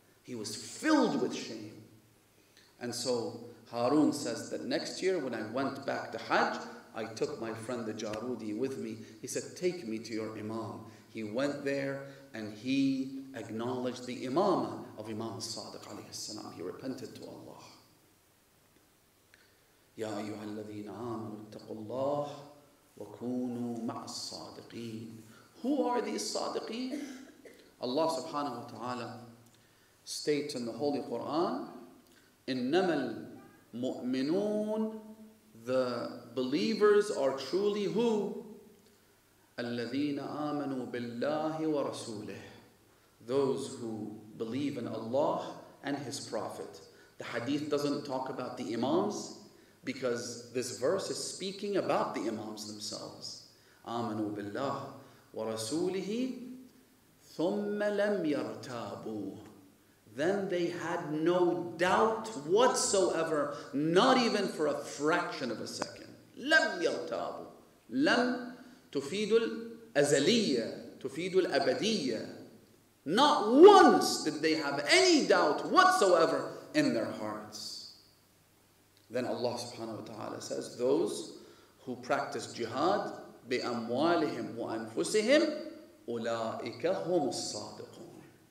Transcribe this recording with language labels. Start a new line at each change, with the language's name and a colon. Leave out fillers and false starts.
English: He was filled with shame. And so Harun says that next year when I went back to Hajj, I took my friend the Jarudi with me. He said, take me to your imam. He went there and he acknowledged the imam of Imam Sadiq alayhi salam. He repented to Allah.
Arabic: يا أيها الذين آمنوا اتقوا الله وكونوا مع الصادقين.
English: Who are these صادقين? Allah subhanahu wa ta'ala states in the Holy Quran,
Arabic: إنما المؤمنون,
English: the believers are truly who?
Arabic: الذين آمنوا بالله ورسوله,
English: those who believe in Allah and His Prophet. The hadith doesn't talk about the imams. Because this verse is speaking about the Imams themselves.
Arabic: آمنوا بالله ورسوله ثم لم يرتابوا.
English: Then they had no doubt whatsoever, not even for a fraction of a second.
Arabic: لم يرتابوا. لم تفيد الأزلية تفيد الأبدية.
English: Not once did they have any doubt whatsoever in their hearts. Then Allah subhanahu wa ta'ala says, those who practice jihad
Arabic: بأموالهم وأنفسهم أولئك هم الصادقون.